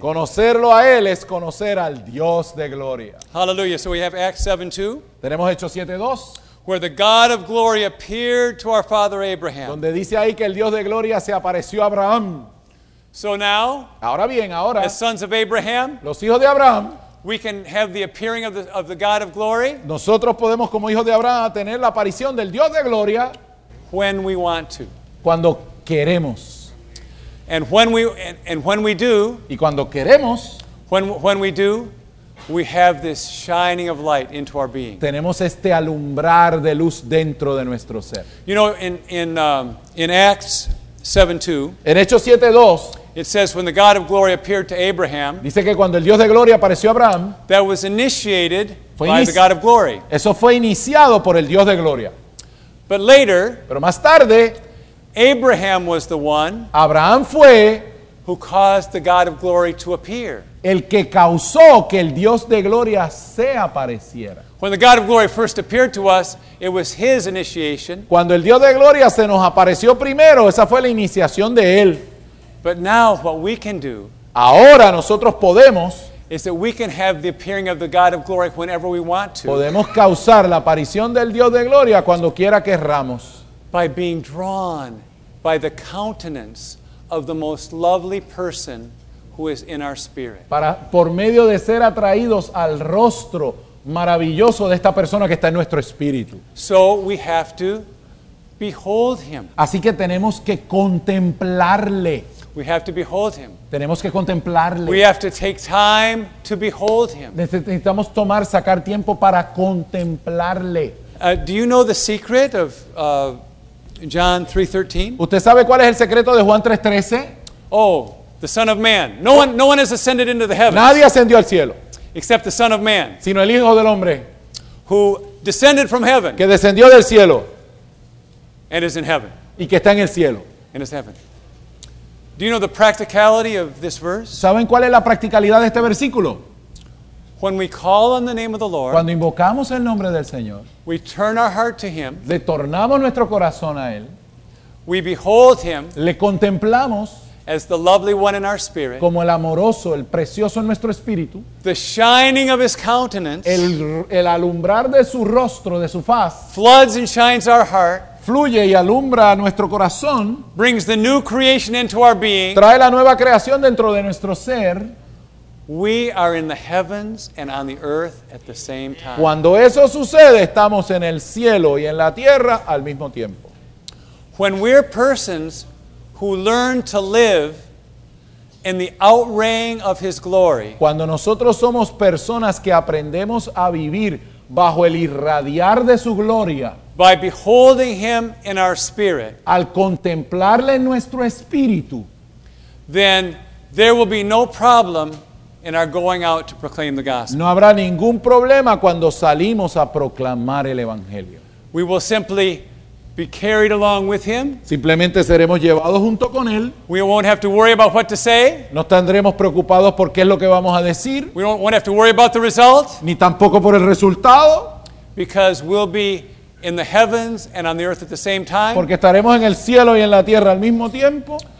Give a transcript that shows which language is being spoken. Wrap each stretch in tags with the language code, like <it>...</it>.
<es>Conocerlo a él es conocer al Dios de gloria.</es> <en>Hallelujah. So we have Acts 7:2.</en> <es>Tenemos Hechos 7:2.</es> <en>Where the God of glory appeared to our father Abraham.</en> <es>Donde dice ahí que el Dios de gloria se apareció a Abraham.</es> <en>So now.</en> <es>Ahora bien, ahora.</es> <en>As sons of Abraham.</en> <es>Los hijos de Abraham.</es> <en>We can have the appearing of the God of glory.</en> <es>Nosotros podemos como hijos de Abraham tener la aparición del Dios de gloria.</es> <en>When we want to.</en> <es>Cuando queremos.</es> <en>And when we do,</en> <es>y cuando queremos,</es> <en>when we do, we have this shining of light into our being.</en> <es>Tenemos este alumbrar de luz dentro de nuestro ser.</es> <en>You know, in Acts 7:2,</en> <es>en Hechos 7:2,</es> <en>it says when the God of glory appeared to Abraham.</en> <es>Dice que cuando el Dios de gloria apareció a Abraham,</es> <en>that was initiated by the God of glory.</en> <es>Eso fue iniciado por el Dios de gloria.</es> <en>But later,</en> <es>pero más tarde,</es> <en>Abraham was the one.</en> <es>Abraham fue</es> <en>who caused the God of glory to appear.</en> <es>El que causó que el Dios de gloria se apareciera.</es> <en>When the God of glory first appeared to us, it was his initiation.</en> <es>Cuando el Dios de gloria se nos apareció primero, esa fue la iniciación de él.</es> <en>But now what we can do,</en> <es>ahora nosotros podemos,</es> <en>is that we can have the appearing of the God of glory whenever we want to.</en> <es>Podemos causar la aparición del Dios de gloria cuando quiera querramos.</es> <en>By being drawn by the countenance of the most lovely person who is in our spirit.</en> <es>Para, por medio de ser atraídos al rostro maravilloso de esta persona que está en nuestro espíritu.</es> <en>So we have to behold him.</en> <es>Así que tenemos que contemplarle.</es> <en>We have to behold him.</en> <es>Tenemos que contemplarle.</es> <en>We have to take time to behold him.</en> <es>Necesitamos tomar, sacar tiempo para contemplarle.</es> <en>Do you know the secret of John 3:13?</en> <es>¿Usted sabe cuál es el secreto de Juan 3:13?</es> <en>Oh, the Son of Man. No one has ascended into the heavens.</en> <es>Nadie ascendió al cielo.</es> <en>Except the Son of Man.</en> <es>Sino el Hijo del Hombre.</es> <en>Who descended from heaven.</en> <es>Que descendió del cielo.</es> <en>And is in heaven.</en> <es>Y que está en el cielo.</es> <en>And is heaven. Do you know the practicality of this verse?</en> <es>¿Saben cuál es la practicalidad de este versículo?</es> <en>When we call on the name of the Lord,</en> <es>cuando invocamos el nombre del Señor,</es> <en>we turn our heart to him,</en> <es>le tornamos nuestro corazón a él,</es> <en>we behold him,</en> <es>le contemplamos,</es> <en>as the lovely one in our spirit,</en> <es>como el amoroso, el precioso en nuestro espíritu,</es> <en>the shining of his countenance,</en> <es>el alumbrar de su rostro, de su faz,</es> <en>floods and shines our heart,</en> <es>fluye y alumbra nuestro corazón,</es> <en>brings the new creation into our being,</en> <es>trae la nueva creación dentro de nuestro ser.</es> <en>We are in the heavens and on the earth at the same time.</en> <es>Cuando eso sucede, estamos en el cielo y en la tierra al mismo tiempo.</es> <en>When we're persons who learn to live in the outraying of his glory.</en> <es>Cuando nosotros somos personas que aprendemos a vivir bajo el irradiar de su gloria.</es> <en>By beholding him in our spirit.</en> <es>Al contemplarle en nuestro espíritu.</es> <en>Then there will be no problem in our going out to proclaim the gospel.</en> <es>No habrá ningún problema cuando salimos a proclamar el evangelio.</es> <en>We will simply be carried along with him.</en> <es>Simplemente seremos llevados junto con él.</es> <en>We won't have to worry about what to say.</en> <es>No tendremos preocupados por qué es lo que vamos a decir.</es> <en>We won't have to worry about the result.</en> <es>Ni tampoco por el resultado.</es> <en>Because we'll be in the heavens and on the earth at the same time.</en> <es>Porque estaremos en el cielo y en la tierra al mismo tiempo.</es>